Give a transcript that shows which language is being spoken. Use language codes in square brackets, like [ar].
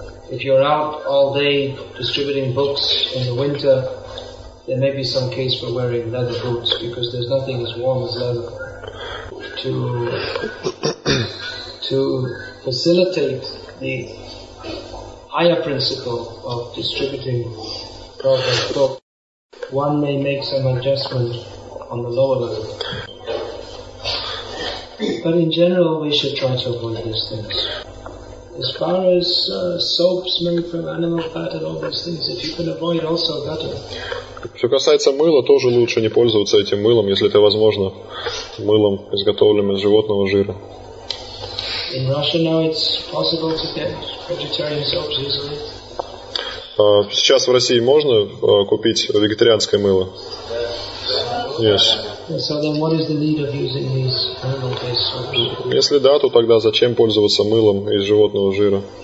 [en] If you're out all day distributing books in the winter, there may be some case for wearing leather boots, because there's nothing as warm as leather to facilitate the higher principle of distributing Prabhupada's book. One may make some adjustment on the lower level. But in general, we should try to avoid these things. As far as soaps made from animal fat and all these things, if you can avoid, also better. [ru] Что касается мыла, тоже лучше не пользоваться этим мылом, если это возможно, мылом, изготовленным из животного жира. [en] In Russia now it's possible to get vegetarian soaps easily. [ru] Сейчас в России можно купить вегетарианское мыло? [en] Yes. So then what is the need of using these animal-based soaps? [ru] Если да, то тогда зачем пользоваться мылом из животного жира?